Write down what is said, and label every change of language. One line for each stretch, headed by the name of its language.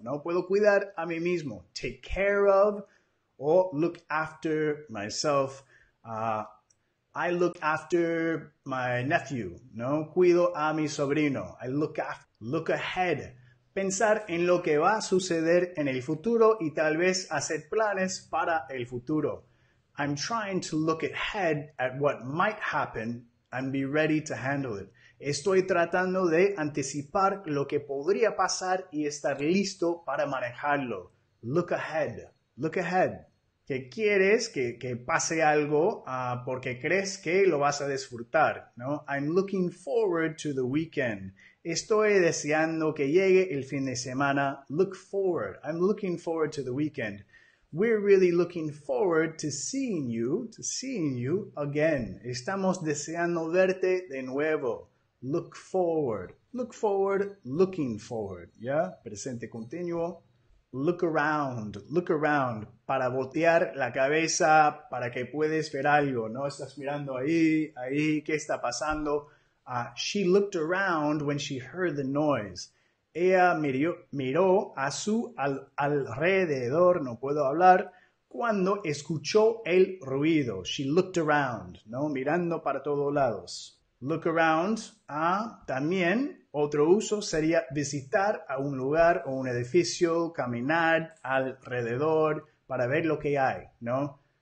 Spanish: No puedo cuidar a mí mismo.
English: Take care of
Spanish: o
English: look after myself. I look after my nephew.
Spanish: No cuido a mi sobrino.
English: I look after, look ahead.
Spanish: Pensar en lo que va a suceder en el futuro y tal vez hacer planes para el futuro.
English: I'm trying to look ahead at what might happen and be ready to handle it.
Spanish: Estoy tratando de anticipar lo que podría pasar y estar listo para manejarlo.
English: Look ahead. Look ahead.
Spanish: ¿Qué quieres que pase algo porque crees que lo vas a disfrutar, ¿no?
English: I'm looking forward to the weekend.
Spanish: Estoy deseando que llegue el fin de semana.
English: Look forward. I'm looking forward to the weekend. We're really looking forward to seeing you again.
Spanish: Estamos deseando verte de nuevo.
English: Look forward. Look forward, looking forward. ¿Ya?
Spanish: Presente continuo.
English: Look around. Look around.
Spanish: Para voltear la cabeza, para que puedas ver algo. ¿No? Estás mirando ahí, ahí. ¿Qué está pasando?
English: She looked around when she heard the noise.
Spanish: Ella miró a su alrededor, no puedo hablar, cuando escuchó el ruido.
English: She looked around,
Spanish: ¿no? Mirando para todos lados.
English: Look around.
Spanish: También otro uso sería visitar a un lugar o un edificio, caminar alrededor para ver lo que hay, ¿no?